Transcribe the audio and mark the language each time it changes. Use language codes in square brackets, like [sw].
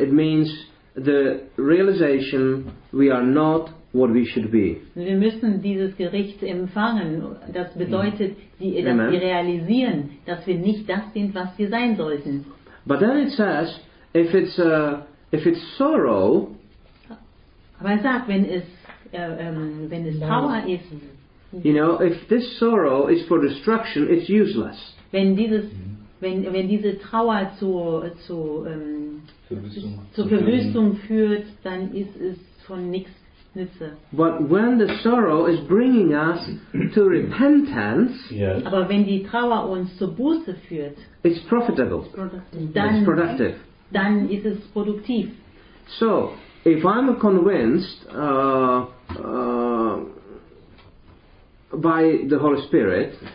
[en] It means the realization we are not what we should be. [de] Wir müssen dieses Gericht empfangen. Das bedeutet, dass wir realisieren, dass wir nicht das sind, was wir sein sollten. [en] But then it says, if it's sorrow. [de] Aber er sagt, wenn es Trauer ist. [en] You know, if this sorrow is for destruction, it's useless. [de] Wenn diese Trauer zur Verwüstung führt, dann ist es von nichts Nütze. [en] But when the sorrow is bringing us to repentance, yes. [de] Aber wenn die Trauer uns zur Buße führt, [en] it's profitable. It's productive. [de] Dann ist es produktiv. [en] So, if I'm convinced, by the Holy Spirit.